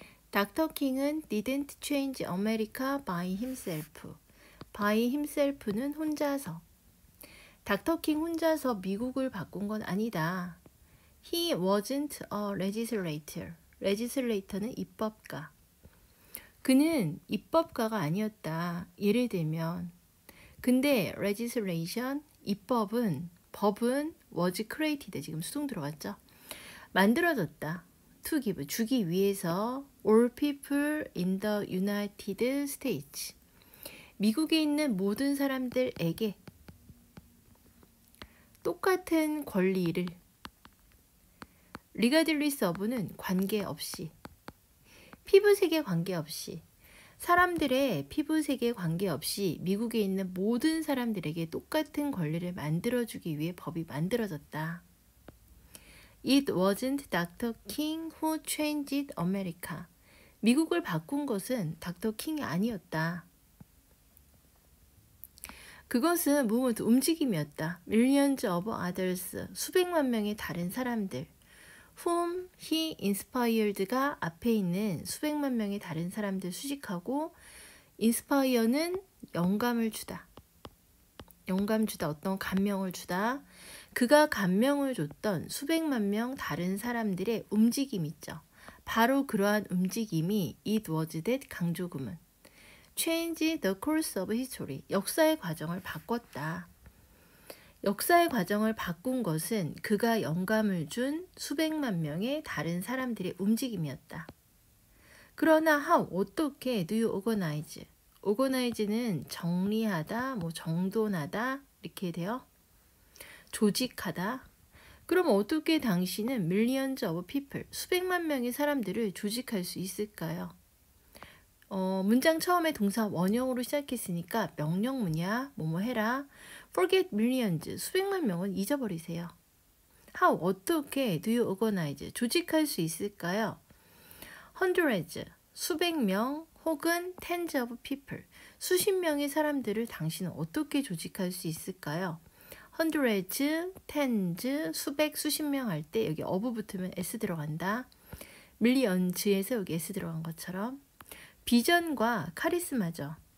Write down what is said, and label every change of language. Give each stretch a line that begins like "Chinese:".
Korean: 닥터 킹은
English: didn't change America by himself.
Korean: By himself는 혼자서. 닥터 킹 혼자서 미국을 바꾼 건 아니다.
English: He wasn't a legislator.
Korean: legislator는 입법가. 그는 입법가가 아니었다. 예를 들면, 근데 legislation, 입법은, 법은
English: was created,
Korean: 지금 수동 들어왔죠? 만들어졌다.
English: To give,
Korean: 주기 위해서
English: all people in the United States.
Korean: 미국에 있는 모든 사람들에게 똑같은 권리를. Regardless of는 관계없이. 피부색에 관계없이. 사람들의 피부색에 관계없이 미국에 있는 모든 사람들에게 똑같은 권리를 만들어주기 위해 법이 만들어졌다.
English: It wasn't Dr. King who changed America.
Korean: 미국을 바꾼 것은 닥터 킹이 아니었다. 그것은 movement, 움직임이었다.
English: Millions of others,
Korean: 수백만 명의 다른 사람들. Whom he inspired가 앞에 있는 수백만 명의 다른 사람들 수식하고 inspire는 영감을 주다. 영감 주다. 어떤 감명을 주다. 그가 감명을 줬던 수백만 명 다른 사람들의 움직임 있죠. 바로 그러한 움직임이 it was that 강조구문.
English: Change the course of history.
Korean: 역사의 과정을 바꿨다. 역사의 과정을 바꾼 것은 그가 영감을 준 수백만 명의 다른 사람들의 움직임이었다. 그러나
English: how, 어떻게 do you organize?
Korean: organize는 정리하다, 뭐 정돈하다 이렇게 돼요. 조직하다. 그럼 어떻게 당신은
English: millions of people,
Korean: 수백만 명의 사람들을 조직할 수 있을까요? 문장 처음에 동사 원형으로 시작했으니까 명령문이야. 뭐뭐 해라.
English: Forget millions.
Korean: 수백만 명은 잊어버리세요.
English: How,
Korean: 어떻게
English: do you organize?
Korean: 조직할 수 있을까요? Hundreds. 수백 명 혹은
English: tens of people.
Korean: 수십 명의 사람들을 당신은 어떻게 조직할 수 있을까요? Hundreds, tens, 수백, 수십 명할때 여기 of 붙으면 s 들어간다. Millions에서 여기 s 들어간 것처럼. 비전과 카리스마죠.